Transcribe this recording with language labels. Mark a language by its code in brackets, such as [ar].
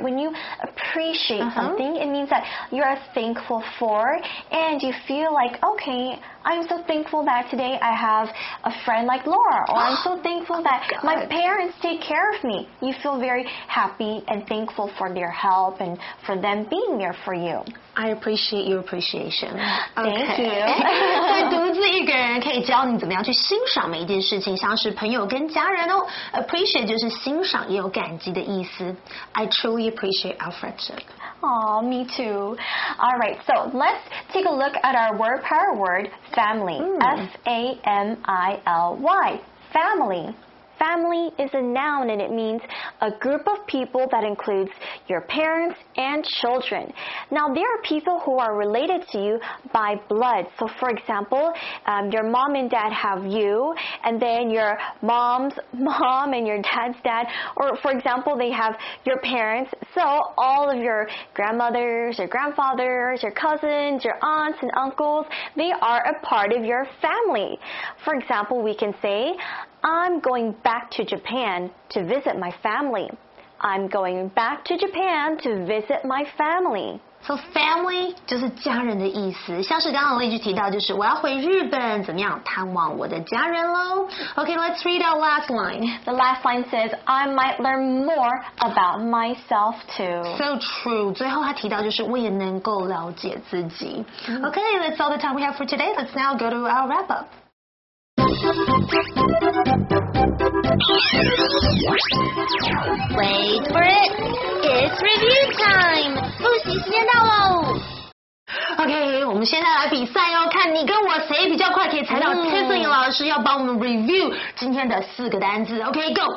[en] When you appreciate something, it means that you are thankful for and you feel like, okay, I'm so thankful that today I have a friend like Laura, or I'm so thankful that my parents take care of me. You feel very happy and thankful for their help and for them being there for you. I appreciate your appreciation. Thank you. [zh] 独自一个人可以教你怎么样去欣赏每一件事情，像是朋友跟家人哦。 Appreciate 就是欣赏，也有感激的意思。 I truly appreciate our friendship. [en] Aw, me too. All right, so let's take a look at our word power word, family. F-A-M-I-L-Y. Family. Family is a noun and it means a group of people that includes your parents and children. Now, there are people who are related to you by blood. So, for example, your mom and dad have you, and then your mom's mom and your dad's dad, or for example, they have your parents. So, all of your grandmothers, your grandfathers, your cousins, your aunts and uncles, they are a part of your family. For example, we can say,I'm going back to Japan to visit my family. I'm going back to Japan to visit my family. [zh] So family 就是家人的意思。像是刚刚例句提到就是我要回日本怎么样探望我的家人咯。 [en] Okay, let's read our last line. The last line says, I might learn more about myself too. So true. [zh] 最后他提到就是我也能够了解自己。 [en] Okay, that's all the time we have for today. Let's now go to our wrap up. Wait for it! It's review time! 复习时间到喽！ [zh] OK, 我们现在来比赛哦，看你跟我谁比较快可以猜到 Tiffany 老师要帮我们 review 今天的四个单字。 OK, go!